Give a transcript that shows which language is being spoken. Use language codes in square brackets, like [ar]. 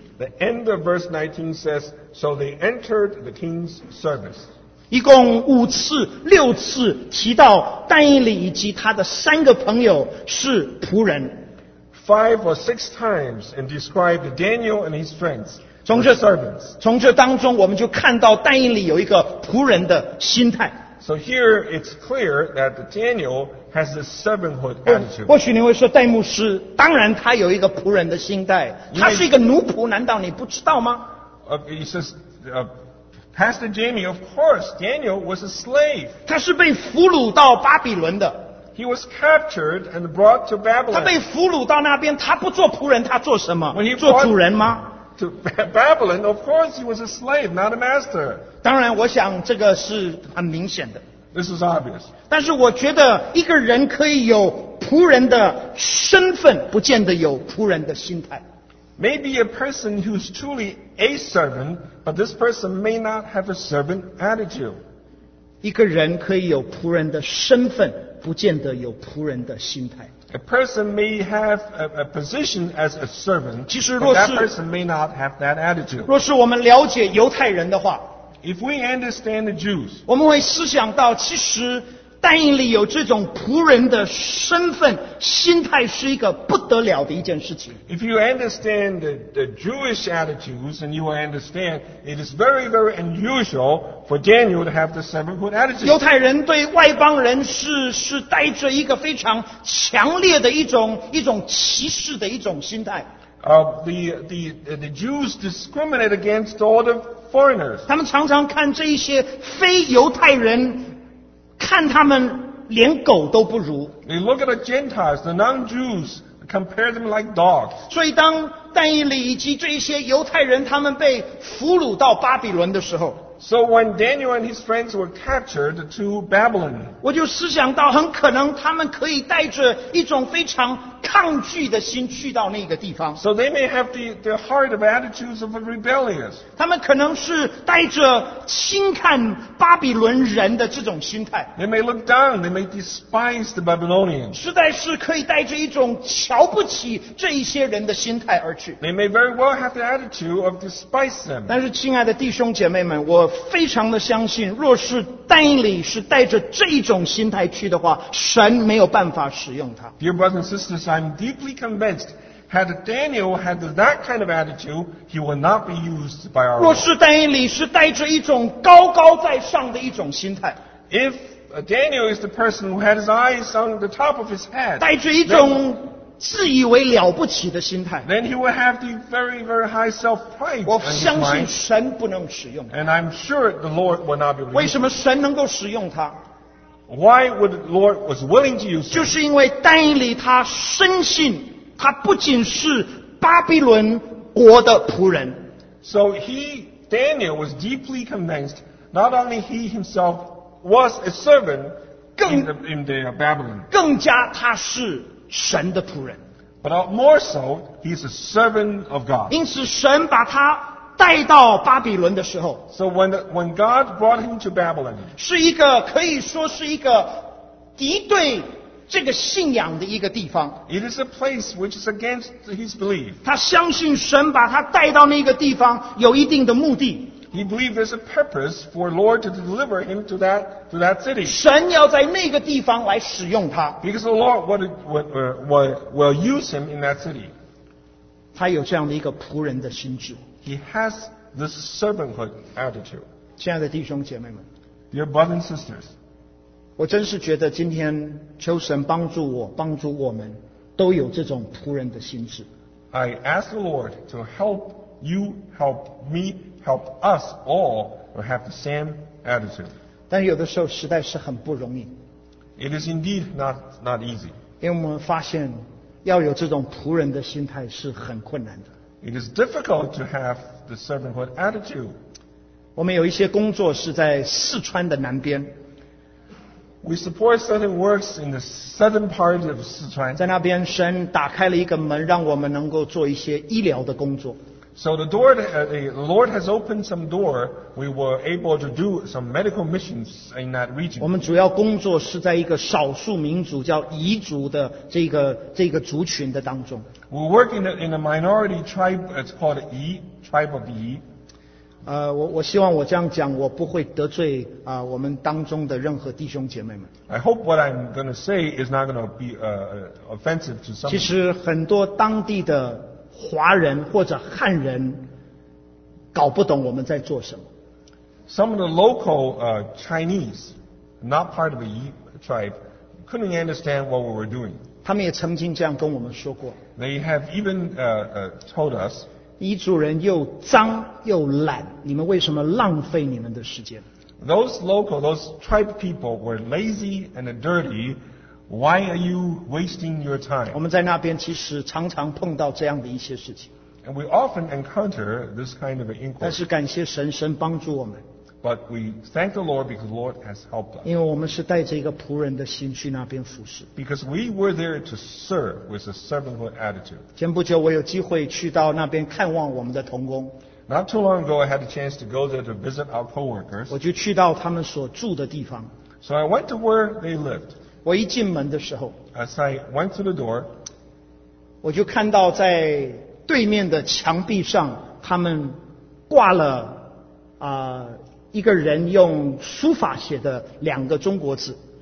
[en] The end of verse 19 says, so they entered the king's service. [zh] 一共五次、六次提到但以理以及他的三个朋友是仆人。 [en] Five or six times and described Daniel and his friends. [zh] 从这当中我们就看到但以理有一个仆人的心态。 [en] So here it's clear that Daniel has a servanthood attitude. [zh] 或许你会说戴牧师当然他有一个仆人的心态他是一个奴仆难道你不知道吗 [en] he says, Pastor Jamie, of course, Daniel was a slave. [zh] 他是被俘虏到巴比伦的。 [en] He was captured and brought to Babylon. [zh] 他被俘虏到那边他不做仆人他做什么 [en] When he [zh] 做主人吗 [en] To Babylon, of course, he was a slave, not a master. [zh] 当然，我想这个是很明显的。 [en] This is obvious. [zh] 但是我觉得一个人可以有仆人的身份，不见得有仆人的心态。 [en] Maybe a person who's truly a servant, but this person may not have a servant attitude. [zh] 一个人可以有仆人的身份，不见得有仆人的心态。 [en] A person may have a position as a servant, but that person may not have that attitude. [zh] 若是我们了解犹太人的话， [en] If we understand the Jews, [zh] 我们会思想到，其实但以理有这种仆人的身份心态是一个不得了的一件事情。 [en] If you understand the Jewish attitudes, and you will understand it is very, very unusual for Daniel to have the servanthood attitude. [zh] 犹太人对外邦人是带着一个非常强烈的一种歧视的一种心态。 [en] The Jews discriminate against all the foreigners. [zh] 他们常常看这一些非犹太人。看他们连狗都不如。 [en] They look at the Gentiles, the non-Jews, compare them like dogs. [zh] 所以当但以理以及这些犹太人他们被俘虏到巴比伦的时候， [en] So when Daniel and his friends were captured to Babylon, [zh] 我就思想到很可能他们可以带着一种非常抗拒的心去到那个地方。 [en] So they may have the heart of attitudes of a rebellious. [zh] 他们可能是带着轻看巴比伦人的这种心态。 [en] They may look down, they may despise the Babylonians. [zh] 实在是可以带着一种瞧不起这一些人的心态而去。 [en] They may very well have the attitude of despise them. [zh] 但是亲爱的弟兄姐妹们，我非常的相信，若是但以理是带着这种心态去的话，神没有办法使用他。 [en] Dear brothers and sisters,I'm deeply convinced had Daniel had that kind of attitude, he would not be used by our Lord. [zh] 若是但以理是带着一种高高在上的一种心态， [en] If Daniel is the person who had his eyes on the top of his head, [zh] 带着一种自以为了不起的心态， [en] then he would have the very, very high self-pride. [zh] 我相信神不能使用他。 [en] And I'm sure the Lord would not be able to use him. [zh] 为什么神能够使用他？ [en] Why would the Lord was willing to use him? [zh] 就是因为但以理他深信他不仅是巴比伦国的仆人。 [en] So he, Daniel, was deeply convinced not only he himself was a servant in the Babylon. [zh] 更加他是神的仆人。 [en] But more so, he is a servant of God. [zh] 因此神把他带到巴比伦的时候， [en] So when God brought him to Babylon, [zh] 是一个可以说是一个敌对这个信仰的一个地方。 [en] It is a place which is against his belief. [zh] 他相信神把他带到那个地方有一定的目的。 [en] He believed there's a purpose for Lord to deliver him to that city. [zh] 神要在那个地方来使用他。 [en] Because the Lord will use him in that city. [zh] 他有这样的一个仆人的心智。 [en] He has this servanthood attitude. [zh] 亲爱的弟兄姐妹们， [en] Dear brothers and sisters, [zh] 我真是觉得今天求神帮助我，帮助我们，都有这种仆人的心智。 [en] I ask the Lord to help you, help me, help us all to have the same attitude. [zh] 但有的时候实在是很不容易。 [en] It is indeed not easy. [zh] 因为我们发现要有这种仆人的心态是很困难的。 [en] It is difficult to have the servanthood attitude. [zh] 我们有一些工作是在四川的南边。 [en] We support certain works in the southern part of Sichuan. [zh] 在那边神打开了一个门，让我们能够做一些医疗的工作。 [en] So the door, the Lord has opened some door. We were able to do some medical missions in that region. [zh] 我们主要工作是在一个少数民族叫彝族的这个族群的当中。 [en] We work in a minority tribe. It's called Yi tribe of Yi. [zh] 我希望我这样讲，我不会得罪我们当中的任何弟兄姐妹们。 [en] I hope what I'm going to say is not going to be offensive to some. [zh] 其实很多当地的华人或者汉人搞不懂我们在做什么。 [en] Some of the local Chinese, not part of the Yi tribe, couldn't understand what we were doing. [zh] 他们也曾经这样跟我们说过。 [en] They have even told us, [zh] 彝族人又脏又懒，你们为什么浪费你们的时间？ [en] Those local, those tribe people were lazy and dirty. Why are you wasting your time? [zh] 我们在那边其实常常碰到这样的一些事情。 [en] And we often encounter this kind of an inquiry. [zh] 但是感谢神，神帮助我们。 [en] But we thank the Lord because the Lord has helped us. [zh] 因为我们是带着一个仆人的心去那边服侍。 [en] Because we were there to serve with a servanthood attitude. [zh] 前不久我有机会去到那边看望我们的同工。 [en] Not too long ago, I had a chance to go there to visit our coworkers. [zh] 我就去到他们所住的地方。 [en] So I went to where they lived. [zh] 我一进门的时候。 [en] As I went through the door, [zh] 我就看到在对面的墙壁上，他们挂了一个人用书法写的两个中国字。